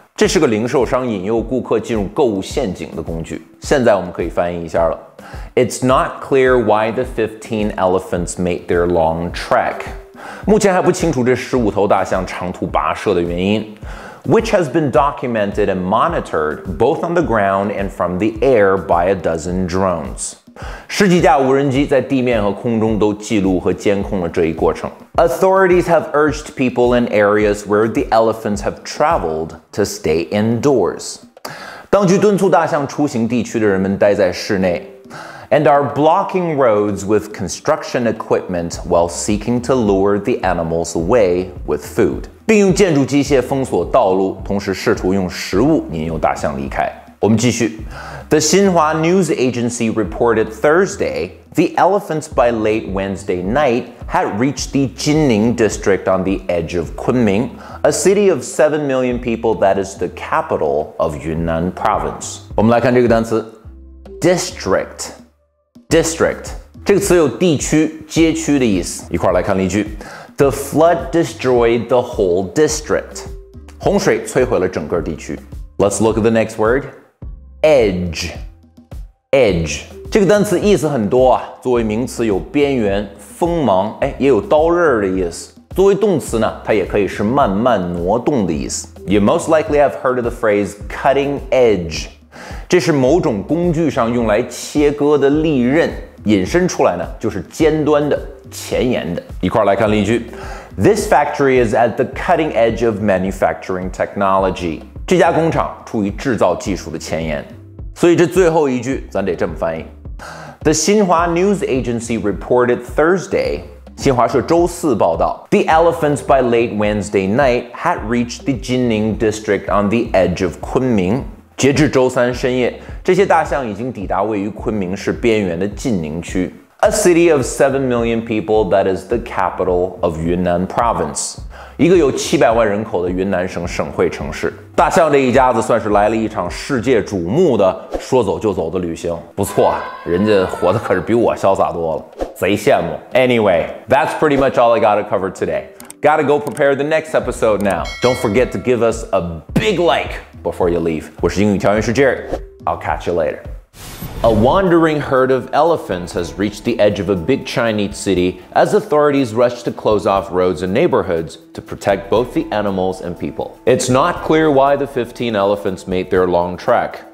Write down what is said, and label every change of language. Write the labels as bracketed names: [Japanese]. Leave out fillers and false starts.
[Chinese] 这是个零售商引诱顾客进入购物陷阱的工具。现在我们可以翻译一下了。 [English] It's not clear why the 15 elephants made their long trek. [Chinese] 目前还不清楚这15头大象长途跋涉的原因。 [English] Which has been documented and monitored both on the ground and from the air by a dozen drones. [Chinese] 十几架无人机在地面和空中都记录和监控了这一过程。 [English] Authorities have urged people in areas where the elephants have traveled to stay indoors. [Chinese] 当局敦促大象出行地区的人们待在室内。 [English] And are blocking roads with construction equipment while seeking to lure the animals away with food. [Chinese] 并用建筑机械封锁道路，同时试图用食物引诱大象离开。我们继续。 [English] The Xinhua News Agency reported Thursday, the elephants by late Wednesday night had reached the Jinning district on the edge of Kunming, a city of 7 million people that is the capital of Yunnan province. [Chinese] 我们来看这个单词 district. District. 这个词有地区、街区的意思。一块来看例句。 [English] The flood destroyed the whole district. [Chinese] 洪水摧毁了整个地区。 [English] Let's look at the next word. [Chinese] Edge 这个单词意思很多啊，作为名词有边缘、锋芒，也有刀刃的意思。作为动词呢，它也可以是慢慢挪动的意思。 [English] You most likely have heard of the phrase cutting edge. [Chinese] 这是某种工具上用来切割的利刃，引申出来呢，就是尖端的、前沿的。一块来看例句。 [English] This factory is at the cutting edge of manufacturing technology. [Chinese] 这家工厂处于制造技术的前沿，所以这最后一句咱得这么翻译。 [English] The Xinhua News Agency reported Thursday, [Chinese] 新华社周四报道 [English] The elephants by late Wednesday night had reached the Jinning district on the edge of Kunming. [Chinese] 截至周三深夜，这些大象已经抵达位于昆明市边缘的晋宁区。 [English] A city of 7 million people that is the capital of Yunnan province. [Chinese] 一个有700万人口的云南省省会城市，大象这一家子算是来了一场世界瞩目的说走就走的旅行。不错啊，人家活的可是比我潇洒多了，贼羡慕。 [English] Anyway, that's pretty much all I gotta cover today. Gotta go prepare the next episode now. Don't forget to give us a big like before you leave. [Chinese] 我是英语调音师 [English] Jerry, I'll catch you later. A wandering herd of elephants has reached the edge of a big Chinese city as authorities rush to close off roads and neighborhoods to protect both the animals and people. It's not clear why the 15 elephants made their long trek,